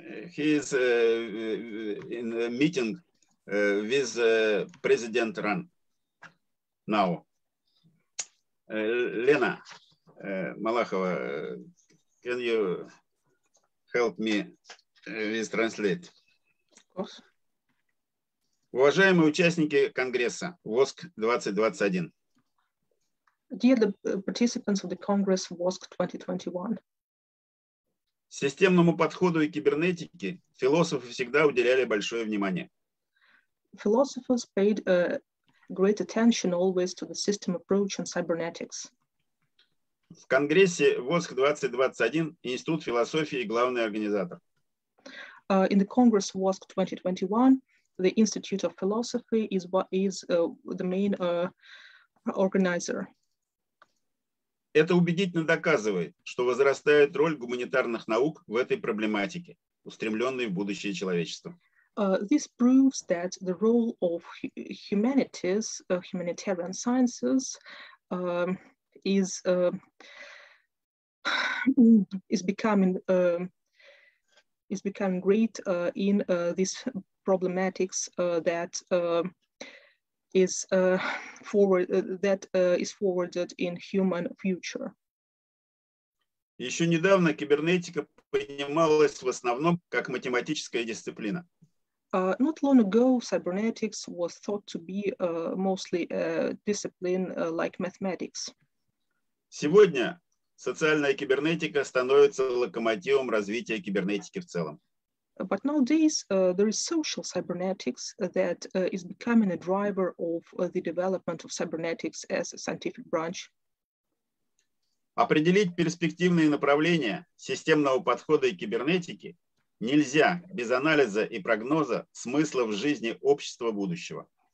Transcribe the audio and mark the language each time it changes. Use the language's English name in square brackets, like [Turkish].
[English] He is in a meeting with President Ran. Now, Lena Malakhova, can you help me with translate? Of course. [Russian] Уважаемые участники Конгресса WOSC 2021. [English] Dear the participants of the Congress WOSC 2021. [Russian] Системному подходу и кибернетике философы всегда уделяли большое внимание. [English] Philosophers paid a great attention always to the system approach and cybernetics. [Russian] В Конгрессе WOSC 2021 Институт философии главный организатор. [English] In the Congress WOSC 2021. The Institute of Philosophy is what is the main organizer. [Russian] Это убедительно доказывает, что возрастает роль гуманитарных наук в этой проблематике, устремленной в будущее человечества. [English] This proves that the role of humanities, humanitarian sciences, is becoming great in this. Problematics that is forwarded in human future. [Russian] Еще недавно кибернетика понималась в основном как математическая дисциплина. [English] Not long ago, cybernetics was thought to be mostly a discipline like mathematics. [Russian] Сегодня социальная кибернетика становится локомотивом развития кибернетики в целом. [English] But nowadays, there is social cybernetics that is becoming a driver of the development of cybernetics as a scientific branch. [Russian] Определить перспективные направления системного подхода и кибернетики нельзя без анализа и прогноза смысла в жизни общества будущего.